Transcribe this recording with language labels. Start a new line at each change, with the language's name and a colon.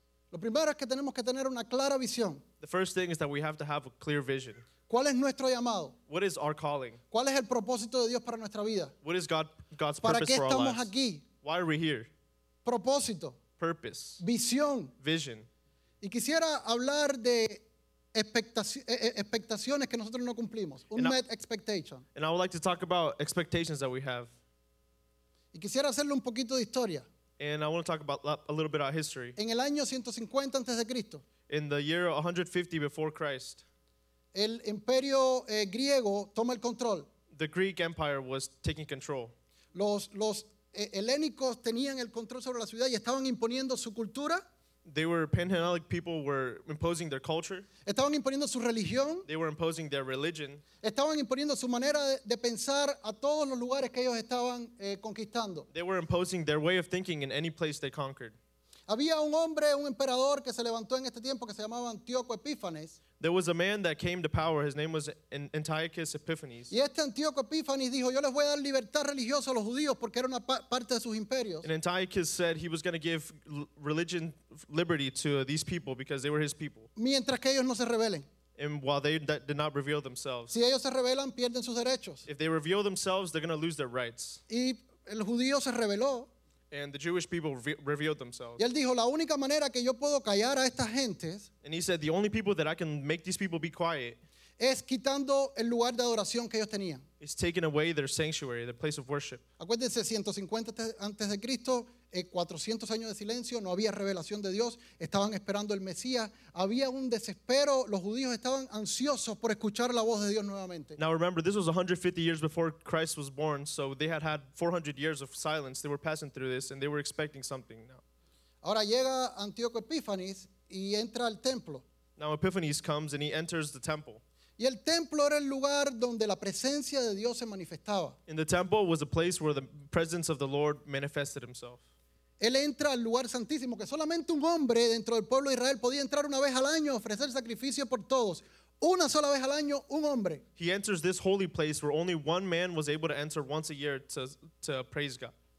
Spanish: Lo primero es que tenemos que tener una clara visión.
English: The first thing is that we have to have a clear vision.
Spanish: ¿Cuál es nuestro llamado?
English: What is our calling?
Spanish: ¿Cuál es el propósito de Dios para nuestra vida?
English: What is God's
Spanish: ¿Para
English: purpose
Spanish: qué estamos
English: for our lives?
Spanish: Aquí?
English: Why are we here?
Spanish: Propósito.
English: Purpose.
Spanish: Visión.
English: Vision.
Spanish: Y quisiera hablar de... expectaciones que nosotros no cumplimos.
English: Unmet expectation. And I would like to talk about expectations that we have.
Spanish: Y quisiera hacerle un poquito de historia.
English: And I want to talk about a little bit of history.
Spanish: En el año 150 antes de Cristo.
English: In the year 150 before Christ.
Spanish: El imperio griego toma el control.
English: The Greek Empire was taking control.
Spanish: Los helénicos tenían el control sobre la ciudad y estaban imponiendo su cultura.
English: They were Panhellenic people were imposing their culture.
Spanish: Estaban imponiendo su religión.
English: They were imposing their religion.
Spanish: Estaban imponiendo su manera de pensar a todos los lugares que ellos estaban conquistando.
English: They were imposing their way of thinking in any place they conquered.
Spanish: Había un hombre, un emperador que se levantó en este tiempo que se llamaba Antíoco Epífanes.
English: There was a man that came to power. His name was Antiochus Epiphanes.
Spanish: Y este Antíoco Epífanes dijo, yo les voy a dar libertad religiosa a los judíos porque era una parte de sus imperios.
English: And Antiochus said he was going to give religion liberty to these people because they were his people.
Spanish: Mientras que ellos no se rebelen.
English: And while they did not reveal themselves.
Spanish: Si ellos se rebelan, pierden sus derechos.
English: If they reveal themselves, they're going to lose their rights.
Spanish: Y el judío se rebeló.
English: And the Jewish people revealed themselves.
Spanish: Y él dijo, la única manera que yo puedo callar a estas gentes.
English: And he said, the only people that I can make these people be quiet.
Spanish: Es quitando el lugar de adoración que ellos tenían.
English: Is taking away their sanctuary, their place of worship.
Spanish: Acuérdense, 150 antes de Cristo, 400 años de silencio, no había revelación de Dios. Estaban esperando el Mesías. Había un desespero. Los judíos estaban ansiosos por escuchar la voz de Dios nuevamente.
English: Now remember, this was 150 years before Christ was born, so they had had 400 years of silence. They were passing through this, and they were expecting something now.
Spanish: Ahora llega Antíoco Epífanes y entra al templo.
English: Now Epiphanes comes and he enters the temple.
Spanish: Y el templo era el lugar donde la presencia de Dios se manifestaba.
English: In the temple was a place where the presence of the Lord manifested himself.
Spanish: Él entra al lugar santísimo, que solamente un hombre dentro del pueblo de Israel podía entrar una vez al año, ofrecer sacrificio por todos. Una sola vez al año, un hombre.
English: He enters this holy place where only one man was able to enter once a year to praise God.